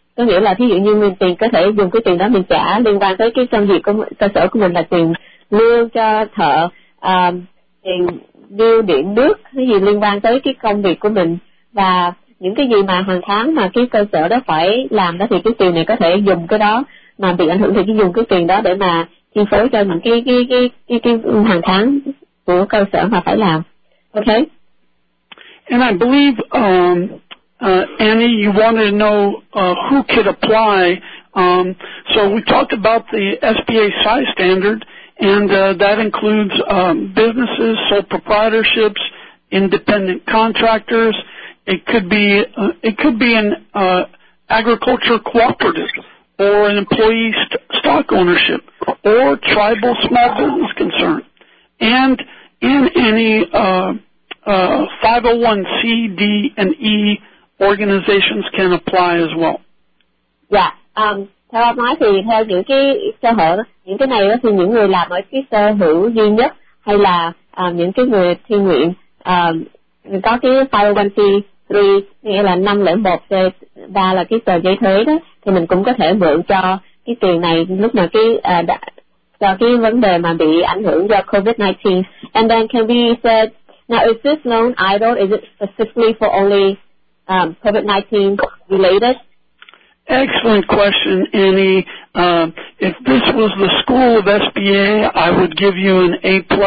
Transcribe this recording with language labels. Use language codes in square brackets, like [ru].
[vi] Có nghĩa là thí dụ như mình tiền có thể dùng cái tiền đó mình trả liên quan tới cái công việc của cơ sở của mình, là tiền lương cho thợ, tiền bill điện nước, cái gì liên quan tới cái công việc của mình, và những cái gì mà hàng tháng mà cái cơ sở đó phải làm đó, thì cái tiền này có thể dùng cái đó, mà bị ảnh hưởng thì cứ dùng cái tiền đó để mà chi phối cho những cái hàng tháng của cơ sở mà phải làm. [en] Ok. And I believe Annie, you wanted to know who could apply. So we talked about the SBA size standard, and that includes businesses, sole proprietorships, independent contractors. It could be an agriculture cooperative, or an employee stock ownership, or tribal small business concern, and in any 501 C, D, and E organizations can apply as well. Yeah. [vi] Theo ông nói thì theo những cái sở hữu, những cái này thì những người làm ở cái sở hữu duy nhất hay là những cái người thiện nguyện có cái 501 C. Thì nghĩa là 501 C và là cái tờ giấy thuế đó, thì mình cũng có thể mượn cho cái tiền này lúc nào cái cho cái vấn đề mà bị ảnh hưởng do COVID-19. [en] And then can we say, now is this loan idle? Is it specifically for only COVID-19 related? Excellent question, Annie. If this was the school of SBA, I would give you an A+.